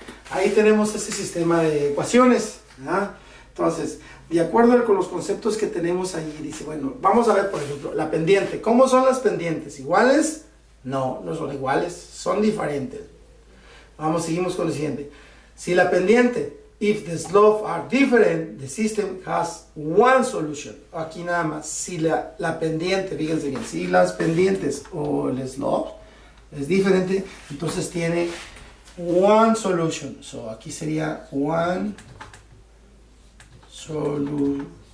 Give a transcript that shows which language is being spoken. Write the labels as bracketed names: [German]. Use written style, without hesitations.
[Spanish] Ahí tenemos ese sistema de ecuaciones, ¿verdad? Entonces, de acuerdo con los conceptos que tenemos ahí, dice, bueno, vamos a ver, por ejemplo, la pendiente. ¿Cómo son las pendientes? ¿Iguales? No, no son iguales, son diferentes. Vamos, seguimos con el siguiente. Si la pendiente, [English] if the slope are different, the system has one solution. [Spanish] Aquí nada más, si la pendiente, fíjense bien, si las pendientes o el slope es diferente, entonces tiene [English] one solution. [Spanish] So aquí sería one solución.